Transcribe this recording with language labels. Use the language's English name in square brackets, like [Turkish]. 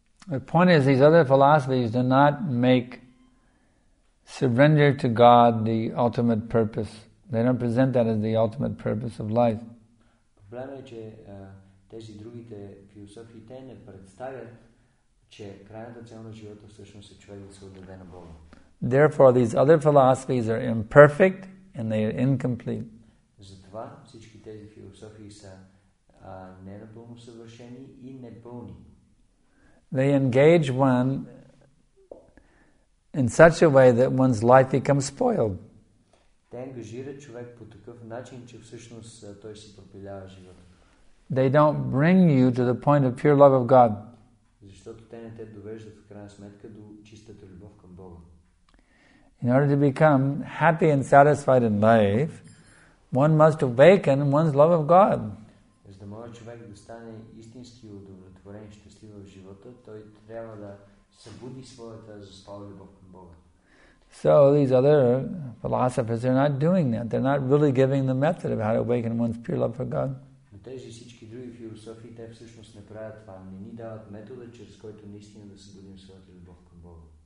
[English] The point is, these other philosophies do not make surrender to God the ultimate purpose. They don't present that as the ultimate purpose of life. [Bulgarian] Проблемът е, че тези другите философии, те не представят, че крайната цел на живота всъщност е човек да се отдаде на Бога. [English] Therefore, these other philosophies are imperfect and they are incomplete. [Bulgarian] Затова всички тези философии са ненапълно съвършени и непълни. [English] They engage one in such a way that one's life becomes spoiled. [Bulgarian] Те ангажират човек по такъв начин, че всъщност той си пропилява живота. [English] They don't bring you to the point of pure love of God. [Bulgarian] Защото те не те довеждат в крайна сметка до чистата любов към Бога. [English] In order to become happy and satisfied in life, one must awaken one's love of God. [Bulgarian] За да може човек да стане истински удовлетворен и щастлив в живота, той трябва да събуди своята заспала любов към Бога. [English] So these other philosophers are not doing that. They're not really giving the method of how to awaken one's pure love for God. [Bulgarian] Тези всички други философии, те всъщност не правят това. Не ни дават метода, чрез който наистина да събудим своята любов към Бога.